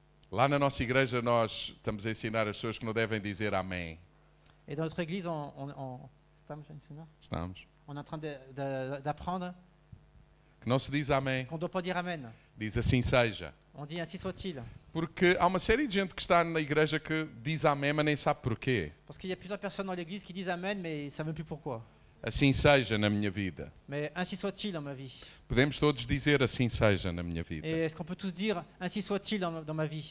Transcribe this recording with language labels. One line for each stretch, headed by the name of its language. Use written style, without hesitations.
Portuguese: Lá na nossa igreja nós estamos a ensinar as pessoas que não devem dizer amém. E na nossa igreja estamos a ensinar? Estamos.
French: On est en train d'apprendre.
Portuguese: Que não se diz amém.
French: Qu'on ne doit pas dire amen.
Portuguese: Diz assim seja.
French: On dit ainsi soit-il.
Portuguese: Porque há uma série de gente que está na igreja que diz amém, mas nem sabe porquê.
French: Parce qu'il y a plusieurs personnes dans l'église qui disent amen, mais ils ne savent plus pourquoi.
Portuguese: Assim seja na minha vida.
French: Mais ainsi soit-il dans ma vie.
Portuguese: Podemos todos dizer assim seja na minha vida.
French: Et est-ce qu'on peut tous dire ainsi soit-il dans ma vie?